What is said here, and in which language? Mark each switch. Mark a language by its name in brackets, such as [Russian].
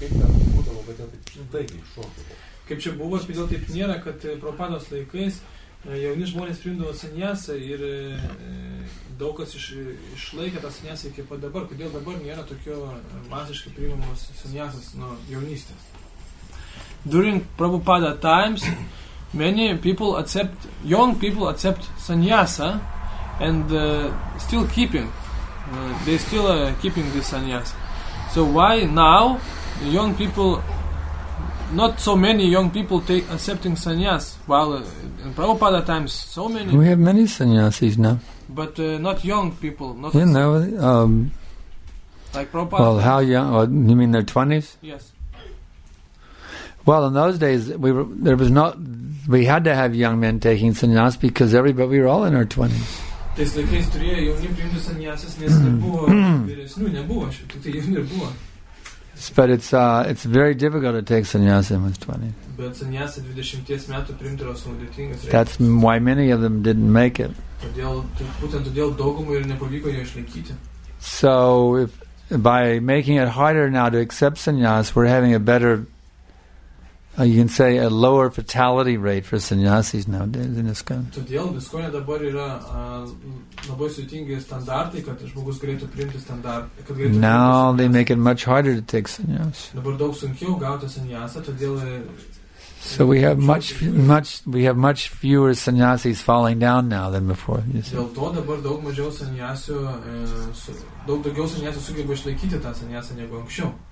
[Lithuanian] Kaip ten būdavo, kad jie taip taigiai šokdavo? Kaip čia buvo, kodėl taip nėra, kad Prabhupados laikais jauni žmonės priimdavo senesą ir daug kas išlaikė tą senesą iki pat dabar. Kodėl dabar nėra tokio masiškai priimamos senesas nuo jaunystės? [English] During Prabhupada times, many people accept, young people accept senesą and still keeping, they still keeping this senesa. So why now young people... Not so many young people take accepting sannyas, while in Prabhupada times, so many... We have many sannyasis now. But not young people, not... You know, like Prabhupada... Well, how young? Well, you mean their 20s? Yes. Well, in those days, we had to have young men taking sannyas because everybody, we were all in our 20s. [Lithuanian] Tais laikais turėjo jauni priimti sannyasis, nes nebuvo vyresnių, nebuvo šių, tai jauni ir buvo. [English] But it's very difficult to take sannyasa when he's 20. [Lithuanian] But sannyasa 20 metų priimti yra sudėtingas reikalas. [English] That's why many of them didn't make it. [Lithuanian] Todėl daugumai ir nepavyko jo išlaikyti. [English] So if by making it harder now to accept sannyasa, we're having a better You can say a lower fatality rate for sannyasis nowadays in ISKCON. [Lithuanian] Todėl ISKCON dabar yra labai sudėtingi standartai, kad žmogus galėtų priimti standartą. [English] Now they make it much harder to take sannyas. [Lithuanian] Dabar daug sunkiau gauti sannyasą, todėl... [English] So we have much fewer sannyasis falling down now than before. [Lithuanian] Dėl to dabar daug mažiau sannyasių, daug daugiau sannyasių sugeba išlaikyti tą sannyasą negu anksčiau.